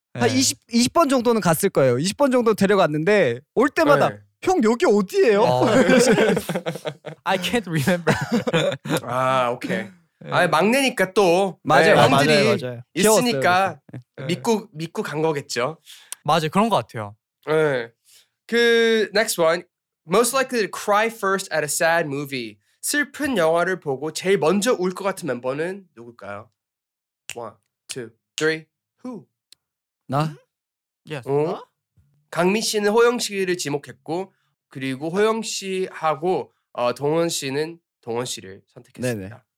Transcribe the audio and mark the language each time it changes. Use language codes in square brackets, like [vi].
[ko] 한 20번 정도는 갔을 거예요. 20번 정도 데려갔는데 올 때마다 형 여기 어디예요? [en] I can't remember. [ko] 아 오케이. 아니, 막내니까 또 맞아요. 형들이 있으니까 믿고 간 거겠죠. 맞아요. 그런 거 같아요. 네. 그 [en] next one. Most likely to cry first at a sad movie. [ko] 슬픈 영화를 보고 제일 먼저 울 것 같은 멤버는 누굴까요? [en] 1, 2, 3, who? [ko] 나? [en] Yes. [ko] 어? 강민 씨는 호영 씨를 지목했고 그리고 호영 씨하고 동원 씨는 동원 씨를 선택했습니다.